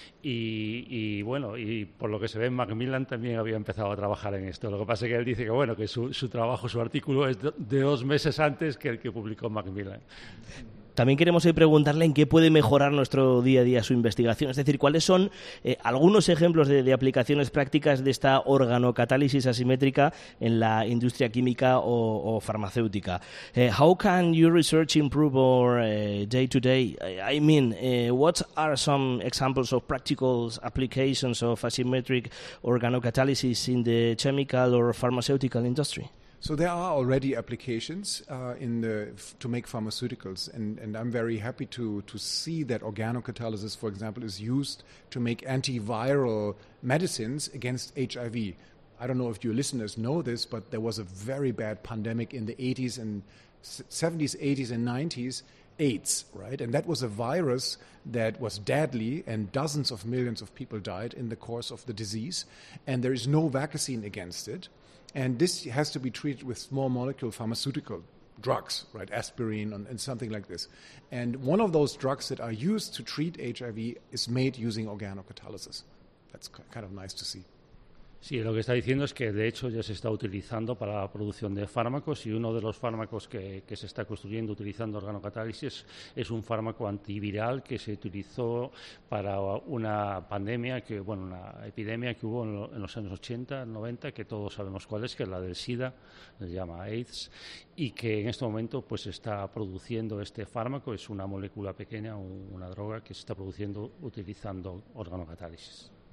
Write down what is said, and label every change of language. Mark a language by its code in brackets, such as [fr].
[es] Y bueno, y por lo que se ve, Macmillan también había empezado a trabajar en esto. Lo que pasa es que él dice que bueno, que su trabajo, su artículo es de 2 meses antes que el que publicó Macmillan. También queremos preguntarle en qué puede mejorar nuestro día a día su investigación. Es decir, ¿cuáles son algunos ejemplos de aplicaciones prácticas de esta organocatálisis asimétrica en la industria química o farmacéutica? [en] How can your research improve our day-to-day? I mean, what are some examples of practical applications of asymmetric organocatalysis in the chemical or pharmaceutical industry? So there are already applications to make pharmaceuticals, and I'm very happy to see that organocatalysis, for example, is used to make antiviral medicines against HIV. I don't know if your listeners know this, but there was a very bad pandemic in the 80s and 70s, 80s and 90s, AIDS, right? And that was a virus that was deadly, and dozens of millions of people died in the course of the disease, and there is no vaccine against it. And this has to be treated with small molecule pharmaceutical drugs, right? Aspirin and something like this. And one of those drugs that are used to treat HIV is made using organocatalysis. That's kind of nice to see. [es] Sí, lo que está diciendo es que de hecho ya se está utilizando para la producción de fármacos y uno de los fármacos que se está construyendo utilizando organocatálisis es un fármaco antiviral que se utilizó para una pandemia, que bueno, una epidemia que hubo en los años 80, 90, que todos sabemos cuál es, que es la del SIDA, se llama AIDS, y que en este momento pues está produciendo este fármaco, es una molécula pequeña, una droga que se está produciendo utilizando organocatálisis.